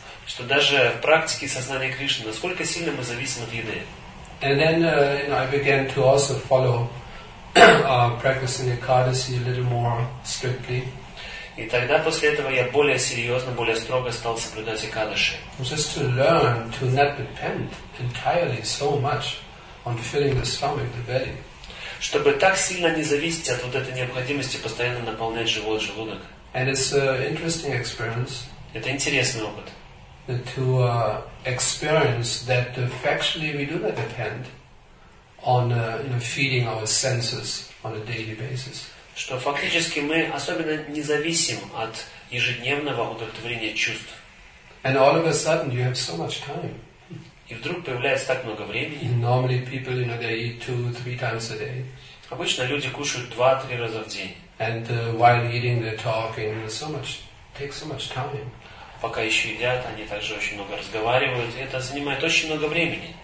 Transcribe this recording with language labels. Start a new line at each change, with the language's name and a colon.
Russian: Что даже в практике сознания Кришны, насколько сильно мы зависим от еды.
English: And then I began to also follow practicing Ekadasi a little more strictly.
Russian: И тогда после этого я более серьезно, более строго стал соблюдать Экадаши.
English: Just to learn to not depend entirely so much on filling the stomach, the belly.
Russian: Чтобы так сильно не зависеть от вот этой необходимости постоянно наполнять живот, желудок.
English: And it's an interesting experience.
Russian: Это интересный опыт.
English: To experience that factually we do not depend on feeding our senses on a daily basis.
Russian: Что фактически мы особенно не зависим от ежедневного удовлетворения чувств.
English: And all of a sudden you have so much time.
Russian: И вдруг появляется так много времени.
English: Normally people they eat 2-3 times a day.
Russian: Обычно люди кушают 2-3 раза в день.
English: And while eating they're talking so much, takes so much time.
Russian: Пока еще едят, они также очень много разговаривают, и это занимает очень много времени.